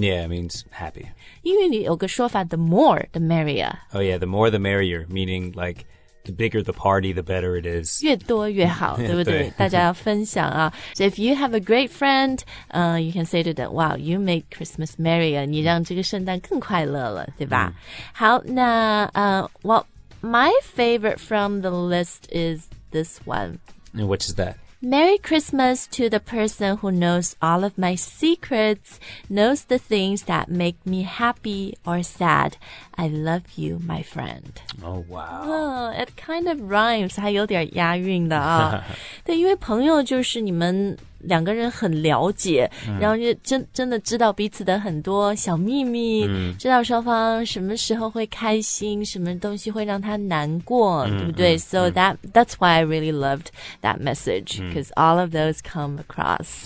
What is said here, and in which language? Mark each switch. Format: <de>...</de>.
<en>Yeah, it means happy.</en> <zh>英语里有个说法</zh> <en>The more, the merrier. Oh yeah, the more the merrier, meaning likeThe bigger the party, the better it is.</en> <zh>越多越好，对不对？大家要分享啊。</zh> <en>So if you have a great friend, you can say to them, wow, you made Christmas merrier.</en> <zh>你让这个圣诞更快乐了，对吧？好，那</zh> <en>well, my favorite from the list is this one. And which is that? Merry Christmas to the person who knows all of my secrets, knows the things that make me happy or sad. I love you, my friend. Oh, wow. It kind of rhymes.</en> <zh>还有点押韵的啊。对，因为朋友就是你们两个人很了解，然后就真的知道彼此的很多小秘密，知道双方什么时候会开心，什么东西会让他难过，对不对？</zh> <en>So that's why I really loved that message, because all of those come across.</en>